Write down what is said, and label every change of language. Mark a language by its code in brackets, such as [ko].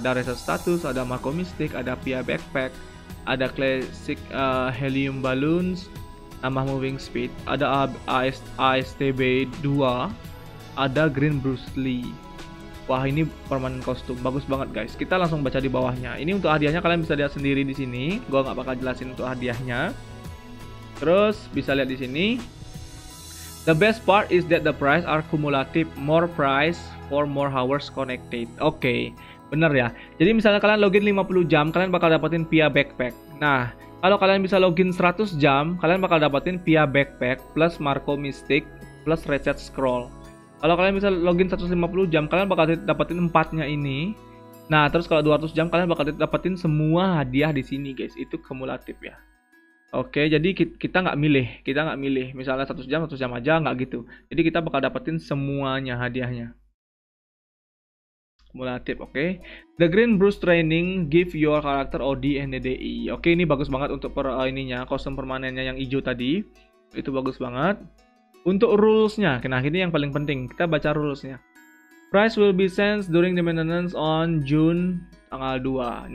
[id] Ada reset status, ada Marco Mystic, ada Pia Backpack, ada classic helium balloons, tambah moving speed, ada ASTB 2, ada green Bruce Lee. Wah, ini permanen kostum, bagus banget guys. Kita langsung baca di bawahnya. Ini untuk hadiahnya kalian bisa lihat sendiri di sini. Gua nggak bakal jelasin untuk hadiahnya. Terus bisa lihat di sini. [en] The best part is that the prize are cumulative, more prize for more hours connected. [id] Oke, bener ya. Jadi misalnya kalian login 50 jam, kalian bakal dapetin Pia Backpack. Nah, kalau kalian bisa login 100 jam, kalian bakal dapetin Pia Backpack plus Marco Mystic plus Reset Scroll. Kalau kalian bisa login 150 jam, kalian bakal dapetin 4-nya ini. Nah, terus kalau 200 jam, kalian bakal dapetin semua hadiah di sini, guys. Itu kumulatif ya. Oke, jadi kita nggak milih. Kita nggak milih. Misalnya 100 jam, 100 jam aja, nggak gitu. Jadi kita bakal dapetin semuanya hadiahnya. Kumulatif, oke. Okay. [en] The Green Bruce Training give your character OD and DDI. [id] Oke, ini bagus banget untuk kostum permanennya yang hijau tadi. Itu bagus banget. Untuk rules-nya, nah ini yang paling penting. Kita baca rules-nya. [en] Prize will be sent during the maintenance on June [id] tanggal 2.